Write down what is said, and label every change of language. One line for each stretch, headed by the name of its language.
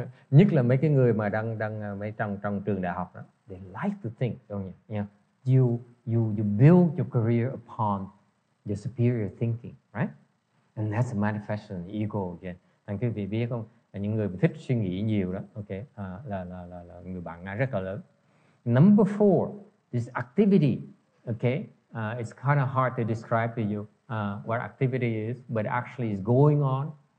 Vietnamese: Nhất là mấy cái người mà đang mấy trong trường đại học đó.
English: They like to think, don't you? Yeah. You build your career upon your superior thinking, right? And that's a manifestation of ego again.
Vietnamese: Thằng quý vị biết không? Những người mà thích suy nghĩ nhiều đó, okay, là người bạn ngã rất là lớn.
English: Number four, this activity, okay, it's kind of hard to describe to you what activity is, but actually is going on.